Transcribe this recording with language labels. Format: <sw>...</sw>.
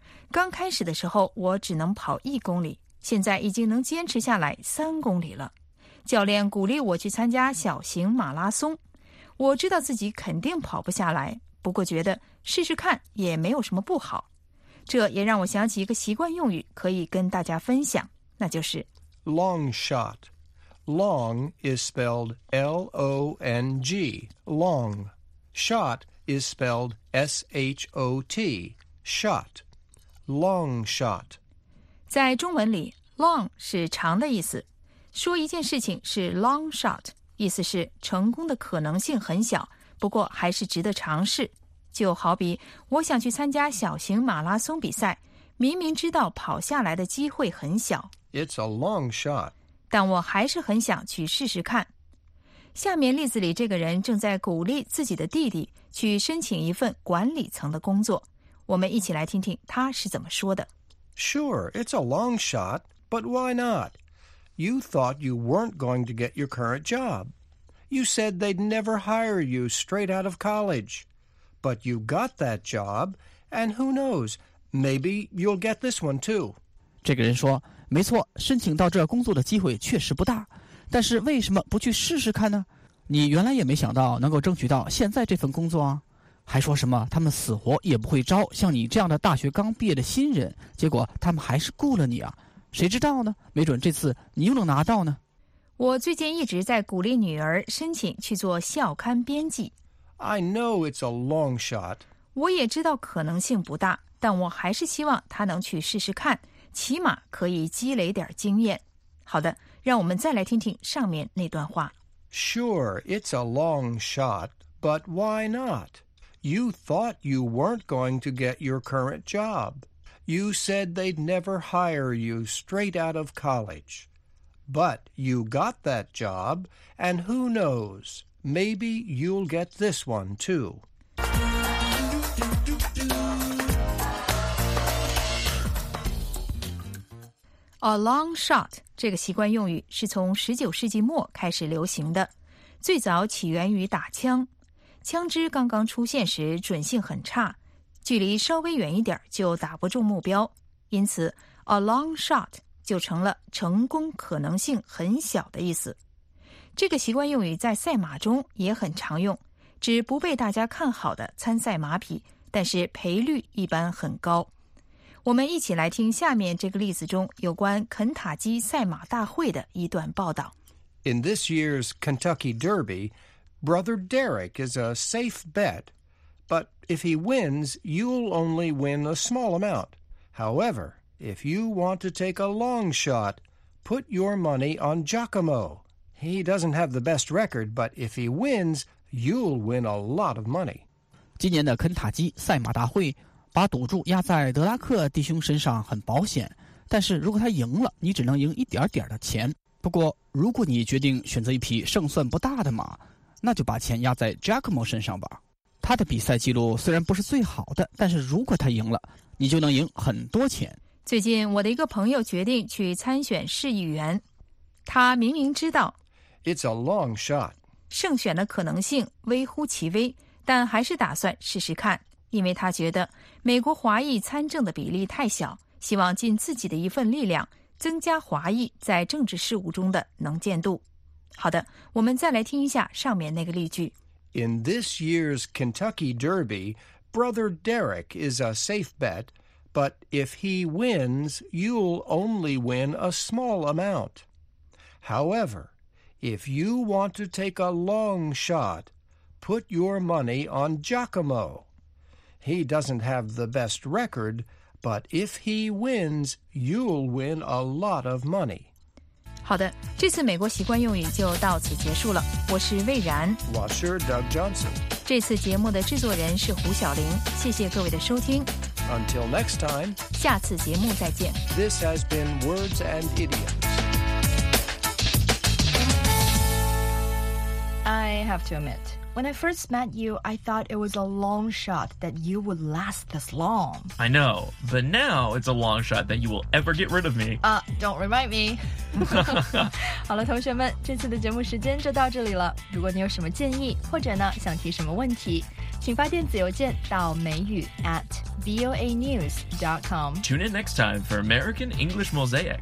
<zh>刚开始的时候，我只能跑一公里，现在已经能坚持下来三公里了。教练鼓励我去参加小型马拉松，我知道自己肯定跑不下来。不过觉得试试看也没有什么不好。这也让我想起一个习惯用语可以跟大家分享，那就是</zh> <en>long shot. Long is spelled L-O-N-G, long. Shot is spelled S-H-O-T, shot. Long shot.</en> <zh>在中文里 long 是长的意思，说一件事情是 long shot， 意思是成功的可能性很小，不过还是值得尝试。就好比我想去参加小型马拉松比赛，明明知道跑下来的机会很小，</zh> <en>It's a long shot，</en> <zh>但我还是很想去试试看。下面例子里这个人正在鼓励自己的弟弟去申请一份管理层的工作，我们一起来听听他是怎么说的。</zh> <en>Sure, it's a long shot, but why not? You thought you weren't going to get your current job. You said they'd never hire you straight out of college. But you got that job, and who knows, maybe you'll get this one too.</en> <zh>这个人说，没错，申请到这工作的机会确实不大，但是为什么不去试试看呢？你原来也没想到能够争取到现在这份工作啊，还说什么他们死活也不会招像你这样的大学刚毕业的新人，结果他们还是雇了你啊，谁知道呢？没准这次你又能拿到呢。我最近一直在鼓励女儿申请去做校刊编辑。</zh> <en>I know it's a long shot.</en> <zh>我也知道可能性不大，但我还是希望他能去试试看，起码可以积累点经验。好的，让我们再来听听上面那段话。</zh> <en>Sure, it's a long shot, but why not? You thought you weren't going to get your current job. You said they'd never hire you straight out of college. But you got that job, and who knows? Maybe you'll get this one, too.</en> <zh>A long shot 这个习惯用语是从19世纪末开始流行的，最早起源于打枪。枪支刚刚出现时准性很差，距离稍微远一点就打不中目标，因此 a long shot 就成了成功可能性很小的意思。这个习惯用语在赛马中也很常用，指不被大家看好的参赛马匹，但是赔率一般很高。我们一起来听下面这个例子中有关肯塔基赛马大会的一段报道。</zh> <en>In this year's Kentucky Derby, Brother Derek is a safe bet, but if he wins, you'll only win a small amount. However, if you want to take a long shot, put your money on Giacomo. He doesn't have the best record, but if he wins, you'll win a lot of money.</en> <zh>今年的肯塔基赛马大会把赌注压在德拉克弟兄身上很保险，但是如果他赢了，你只能赢一点点的钱。不过如果你决定选择一匹胜算不大的马，那就把钱压在 Giacomo 身上吧。他的比赛记录虽然不是最好的，但是如果他赢了，你就能赢很多钱。最近我的一个朋友决定去参选市议员，他明明知道</zh> <en>It's a long shot.</en> <zh>胜选的可能性微乎其微，但还是打算试试看，因为他觉得美国华裔参政的比例太小，希望尽自己的一份力量，增加华裔在政治事务中的能见度。好的，我们再来听一下上面那个例句。</zh> <en>In this year's Kentucky Derby, Brother Derek is a safe bet, but if he wins, you'll only win a small amount. However, if you want to take a long shot, put your money on Giacomo. He doesn't have the best record, but if he wins, you'll win a lot of money.</en> <zh>好的，这次美国习惯用语就到此结束了。我是魏然。我是 Doug Johnson。这次节目的制作人是胡晓玲。谢谢各位的收听。</zh> <en>Until next time.</en> <zh>下次节目再见。</zh> <en>This has been Words and Idioms. I have to admit, when I first met you, I thought it was a long shot that you would last this long. I know, but now it's a long shot that you will ever get rid of me. Don't remind me.</en> <zh>好了，同学们，这次的节目时间就到这里了。如果你有什么建议，或者呢，想提什么问题，请发电子邮件到mayu@voanews.com.</zh> <en>Tune in next time for American English Mosaic.</en>